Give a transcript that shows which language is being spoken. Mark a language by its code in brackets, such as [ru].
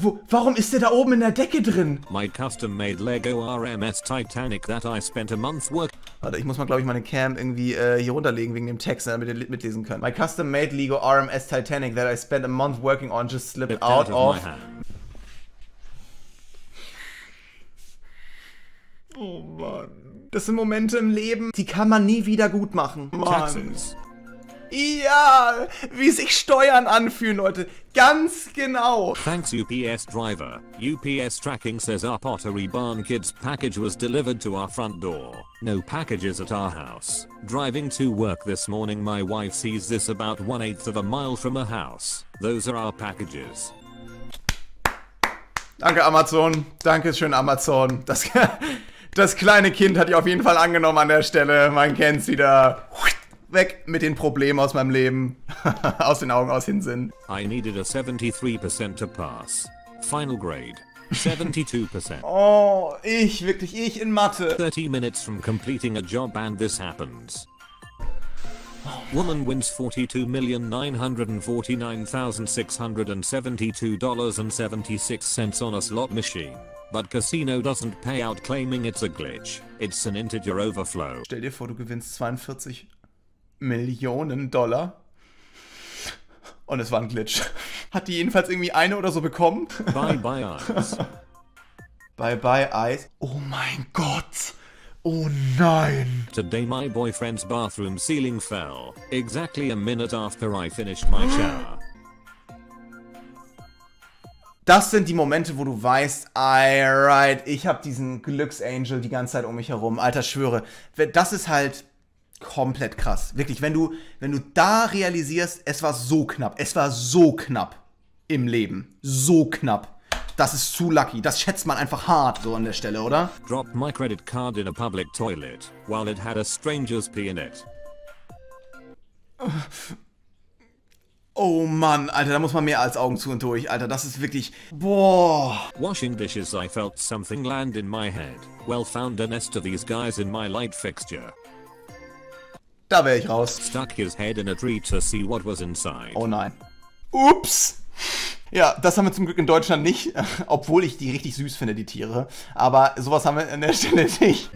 [de] Warum ist der da oben in der Decke drin? [en] My custom made Lego RMS Titanic that I spent a month work. [de] Warte, ich muss mal, glaube ich, meine Cam irgendwie hier runterlegen wegen dem Text, damit ihr mitlesen könnt. [en] My custom made Lego RMS Titanic that I spent a month working on just slipped out of my hand. [de] Oh Mann. Das sind Momente im Leben, die kann man nie wieder gut machen. Mann. [en] Taxes. [de] Ja, wie sich Steuern anfühlen, Leute. Ganz genau. [en] Thanks, UPS driver. UPS tracking says our Pottery Barn Kids package was delivered to our front door. No packages at our house. Driving to work this morning, my wife sees this about 1/8 of a mile from her house. Those are our packages. [de] Danke, Amazon. Dankeschön, Amazon. Das kleine Kind hat dich auf jeden Fall angenommen an der Stelle. Man kennt's wieder. Weg mit den Problemen aus meinem Leben. Aus den Augen, aus Hinsinn. [en] I needed a 73% to pass. Final grade. 72%. [de] Oh, ich, wirklich, ich in Mathe. [en] 30 minutes from completing a job and this happens. Woman wins $42,949,672.76 on a slot machine. But casino doesn't pay out claiming it's a glitch. It's an integer overflow. [de] Stell dir vor, du gewinnst 42 Millionen Dollar. Und es war ein Glitch. Hat die jedenfalls irgendwie eine oder so bekommen? [en] Bye bye Eyes. Bye bye Eyes. [de] Oh mein Gott. Oh nein. [en] Today my boyfriend's bathroom ceiling fell. Exactly a minute after I finished my shower. [de] Das sind die Momente, wo du weißt, alright, ich hab diesen Glücksangel die ganze Zeit um mich herum. Alter, schwöre. Das ist halt komplett krass. Wirklich, wenn du da realisierst, es war so knapp. Es war so knapp im Leben. So knapp. Das ist zu lucky. Das schätzt man einfach hart so an der Stelle, oder? [en] Dropped my credit card in a public toilet, while it had a stranger's pee in it. [de] Oh Mann, Alter, da muss man mehr als Augen zu und durch, Alter. Das ist wirklich... Boah. [en] Washing dishes, I felt something land in my head. Well, found a nest of these guys in my light fixture. [de] Da wäre ich raus. [en] Stuck his head in a tree to see what was inside. [de] Oh nein. Ups. Ja, das haben wir zum Glück in Deutschland nicht, obwohl ich die richtig süß finde, die Tiere. Aber sowas haben wir an der Stelle nicht.